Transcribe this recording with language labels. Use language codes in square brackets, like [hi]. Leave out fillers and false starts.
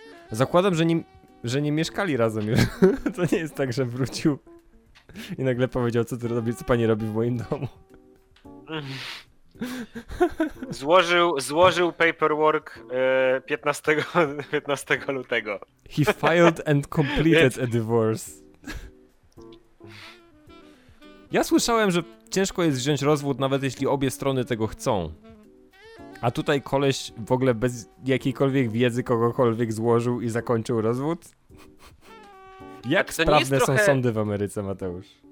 [pl] zakładam, że nie mieszkali razem już. To nie jest tak, że wrócił i nagle powiedział, co pani robi w moim domu. Złożył paperwork 15 lutego. [en] He filed and completed a divorce. [pl] Ja słyszałem, że ciężko jest wziąć rozwód, nawet jeśli obie strony tego chcą. A tutaj koleś w ogóle bez jakiejkolwiek wiedzy kogokolwiek złożył i zakończył rozwód? Jak sprawne są sądy w Ameryce, Mateusz?